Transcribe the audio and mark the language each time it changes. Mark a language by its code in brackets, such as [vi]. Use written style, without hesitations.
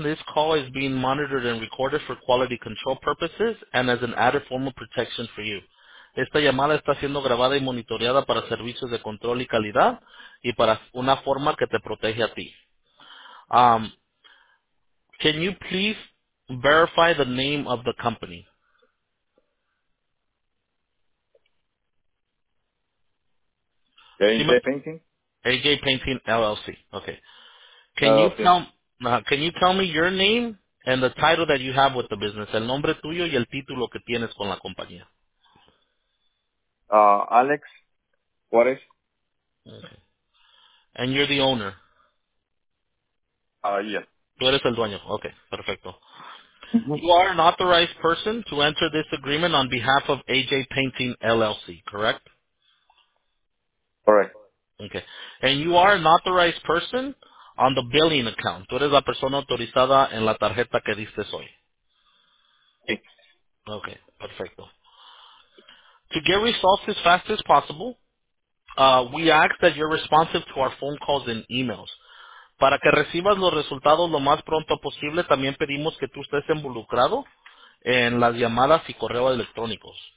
[en] This call is being monitored and recorded for quality control purposes and as an added form of protection for you. [es] Esta llamada está siendo grabada y monitoreada para servicios de control y calidad y para una forma que te protege a ti. [en] Can you please verify the name of the company? AJ Painting? AJ Painting LLC. Okay. Can you tell me your name and the title that you have with the business? [es] El nombre tuyo y el título que tienes con la compañía. Alex Juarez. [en] Okay. And you're the owner? Yes. [es] Tú eres el dueño. Okay, perfecto. [en] You are an authorized person to enter this agreement on behalf of AJ Painting LLC, correct? Correct. Okay. And you are an authorized person on the billing account. [es] Tú eres la persona autorizada en la tarjeta que diste hoy. Sí. Okay, perfecto. [en] To get results as fast as possible, we ask that you're responsive to our phone calls and emails. [es] Para que recibas los resultados lo más pronto posible, también pedimos que tú estés involucrado en las llamadas y correos electrónicos.